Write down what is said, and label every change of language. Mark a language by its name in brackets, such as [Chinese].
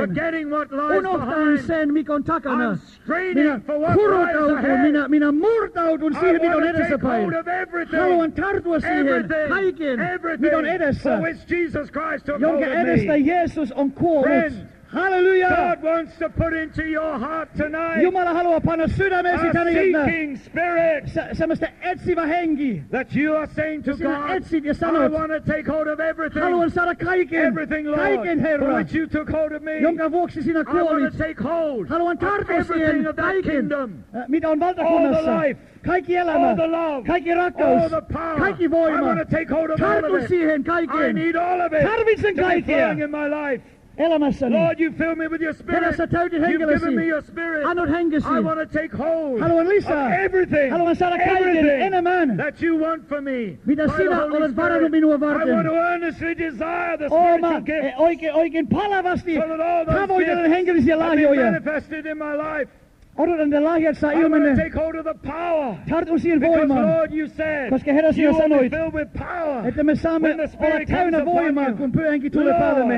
[English] Forgetting what lies behind. [Finnish] Unohtaen sen, mikä on takana. [English] I'm straining for what lies ahead. [Finnish] Minä murtaudun siihen, mitä on edessäpäin. Haluan tartua siihen kaiken, mitä on edessä. [English] For which Jesus Christ took hold of me. [Finnish] Jonka edestä Jeesus on kuollut. [English] Hallelujah! God wants to put into your heart tonight. [Finnish] Jumala haluaa panna sydämesi tänä iltana. [English] Seeking spirit. [Finnish] Semmoista etsivä henki. [English] That you are saying to God. [Finnish] Etsit ja sanot. [English] I want to take hold of everything. [Finnish] Haluan saada kaiken. [English] Everything, Lord. [Finnish] Kaiken, Herra. [English] For which you took hold of me. [Finnish] Jonka vuoksi sinä kuolit. [English] I want to take hold. [Finnish] Haluan tartua siihen. Kaiken. Mitä on valtakunnassa. [English] All the life. [Finnish] Kaikki elämä. [English] All the love. [Finnish] Kaikki rakkaus. [English] All the power. [Finnish] Kaikki voima. [English] I want to take hold of [Finnish] tartu [English] all of [Finnish] siihen, [English] it. [Finnish] Kaiken. [English] I need all of it. [Finnish] Tarvitsen kaiken. [English] To be flying in my life. [Finnish] Elämässäni. [English] Lord, you fill me with your spirit. [Finnish] Herra, sä täytit henkelesi. [English] You've given me your spirit. [Finnish] Annot henkesi. [English] I want to take hold. [Finnish] Haluan lisää. [English] Of everything. [Finnish] Haluan saada kaiken enemmän. [English] That you want for me. [Finnish] Mitä sinä olet varannut minua varten. [English] I want to earnestly desire the spiritual gift. [Finnish] Oikein palavasti. [English] So that all those gifts [Finnish] tavoitan henkisiä lahjoja. [English] Manifested in my life. [Finnish] Odotan ne lahjat saa ilmenne. [English] Take hold of the power. [Finnish] Tartun siihen voimaan. [English] Because Lord, you said. [Finnish] Koska Herra sinä sanoit. [English] You will be filled with power. [Finnish] Että me saamme olla täynnä voimaa, kun Pyhä Henki tulee päällemme.